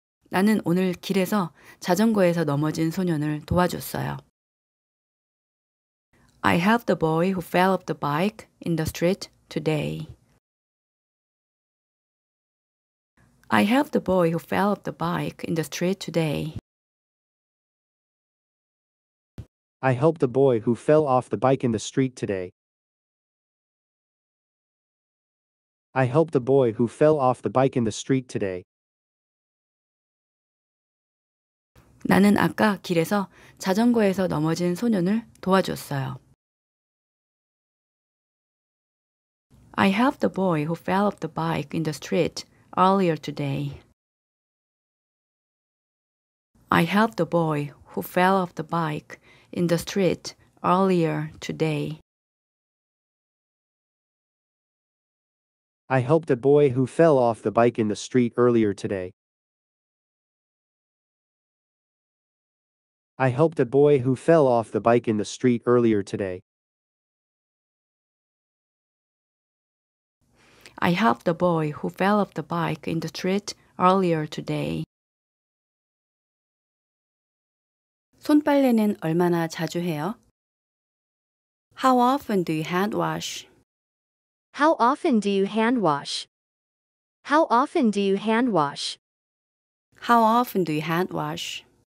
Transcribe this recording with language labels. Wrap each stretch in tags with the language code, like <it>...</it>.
<ko>나는 오늘 길에서 자전거에서 넘어진 소년을 도와줬어요.</ko> <en>I helped a boy who fell off the bike in the street today. I helped a boy who fell off the bike in the street today. I helped a boy who fell off the bike in the street today. I helped a boy who fell off the bike in the street today. 나는 아까 길에서 자전거에서 넘어진 소년을 도와줬어요. I helped a boy who fell off the bike in the street earlier today. I helped a boy who fell off the bike in the street earlier today. I helped a boy who fell off the bike in the street earlier today. I helped a boy who fell off the bike in the street earlier today. I helped a boy who fell off the bike in the street earlier today.</en> <ko>손빨래는 얼마나 자주 해요?</ko> <en>How often do you hand wash? How often do you hand wash? How often do you hand wash? How often do you hand wash?</en>